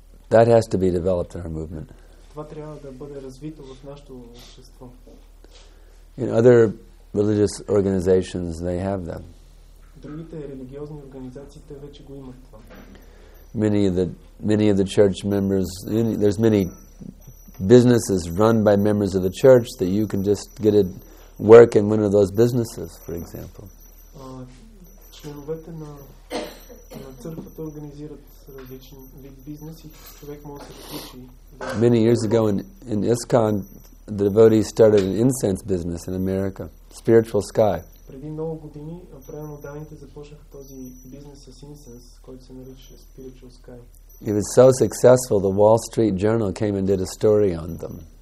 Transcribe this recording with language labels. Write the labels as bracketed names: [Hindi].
[English] That has to be developed in our movement. [Bulgarian] Това трябва да бъде развито в нашето общество. [English] In other religious organizations, they have them. [Bulgarian] Другите религиозни организации вече го имат това. [English] Many of the church members, there's many businesses run by members of the church that you can just get it work in one of those businesses, for example. [Bulgarian] Членовете на църквата организират различен вид бизнес и човек може да включи. [English] Many years ago in ISKCON, the devotees started an incense business in America, Spiritual Sky. [Bulgarian] Преди много години преданите започнаха този бизнес с инсенс, който се нарича Spiritual Sky. [English] It was so successful, the Wall Street Journal came and did a story on them.